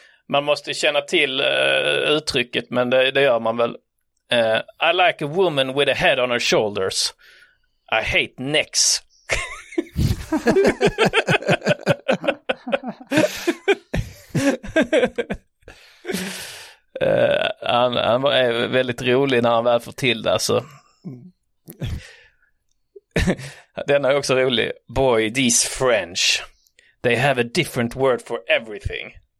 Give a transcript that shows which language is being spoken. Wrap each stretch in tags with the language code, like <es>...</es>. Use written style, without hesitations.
<sv>Man måste känna till uttrycket, men det gör man väl.</sv> <en>I like a woman with a head on her shoulders. I hate necks.</en> <sv>han är väldigt rolig när han väl får till det, alltså. Den är också rolig.</sv> <en>Boy, these French, they have a different word for everything.</en>